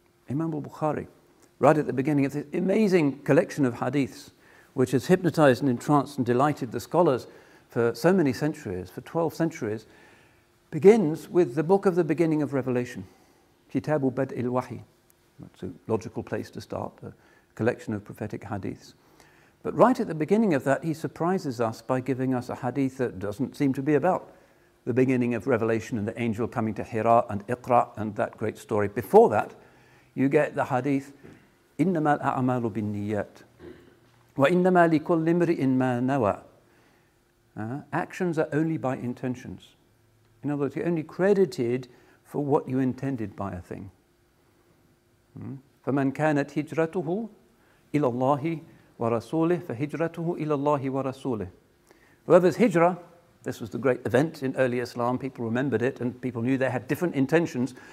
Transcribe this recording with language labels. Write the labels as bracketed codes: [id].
[en] Imam al-Bukhari, right at the beginning of this amazing collection of hadiths, which has hypnotized and entranced and delighted the scholars for so many centuries, for 12 centuries, begins with the book of the beginning of revelation, Kitabu Bad'il Wahi. That's a logical place to start, a collection of prophetic hadiths. But right at the beginning of that, he surprises us by giving us a hadith that doesn't seem to be about the beginning of revelation and the angel coming to Hira and Iqra and that great story. Before that, you get the hadith, [ar] إِنَّمَا الْأَعْمَالُ بِالنِّيَّةِ وَإِنَّمَا لِكُلِّ امْرِئٍ مَا نَوَى. [en] Actions are only by intentions. In other words, you're only credited for what you intended by a thing. [ar] فَمَنْ كَانَتْ هِجْرَتُهُ إِلَى اللَّهِ وَرَسُولِهِ فَهِجْرَتُهُ إِلَى اللَّهِ وَرَسُولِهِ. [en] Whoever's hijrah, this was the great event in early Islam, people remembered it and people knew they had different intentions.